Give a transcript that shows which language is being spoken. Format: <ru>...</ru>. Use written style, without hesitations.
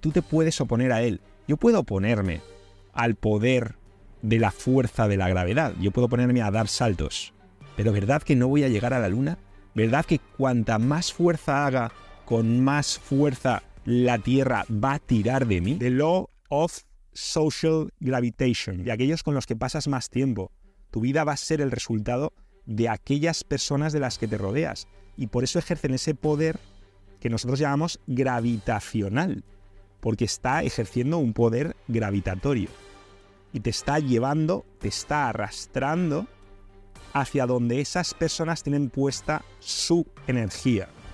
<es>Tú te puedes oponer a él. Yo puedo oponerme al poder de la fuerza de la gravedad. Yo puedo oponerme a dar saltos. Pero ¿verdad que no voy a llegar a la luna? ¿Verdad que cuanta más fuerza haga, con más fuerza la Tierra va a tirar de mí?</es> <en>The law of social gravitation.</en> <es>De aquellos con los que pasas más tiempo. Tu vida va a ser el resultado de aquellas personas de las que te rodeas. Y por eso ejercen ese poder que nosotros llamamos gravitacional, porque está ejerciendo un poder gravitatorio y te está llevando, te está arrastrando hacia donde esas personas tienen puesta su energía.</es>